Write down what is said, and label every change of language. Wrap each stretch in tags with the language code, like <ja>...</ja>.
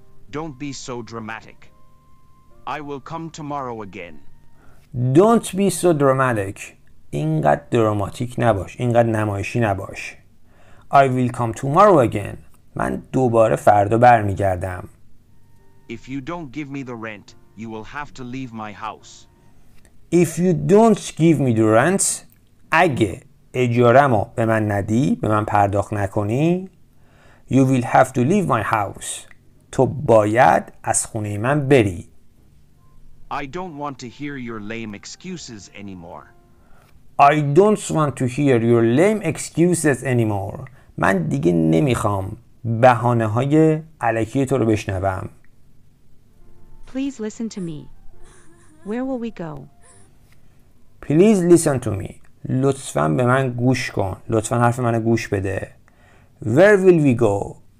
<en>Don't be so dramatic. I will come tomorrow again. Don't be so dramatic.</en> <fa>اینقدر دراماتیک نباش. اینقدر نمایشی نباش.</fa> <en>I will come tomorrow again.</en> <fa>من دوباره فردا برمیگردم.</fa> <en>If you don't give me the rent, you will have to leave my house. If you don't give me the rent,</en> <fa>اگه اجارمو به من ندی، به من پرداخت نکنی،</fa> <en>you will have to leave my house.</en> <fa>تو باید از خونه من بری.</fa> <en>I don't want to hear your lame excuses anymore. I don't want to hear your lame excuses anymore.</en> <fa>من دیگه نمیخوام بهانه های علکی تو رو بشنوم.</fa> <en>Please listen to me. Where will we go? Please listen to me.</en> <fa>لطفاً به من گوش کن. لطفاً حرف منو گوش بده.</fa> <en>Where will we go?</en>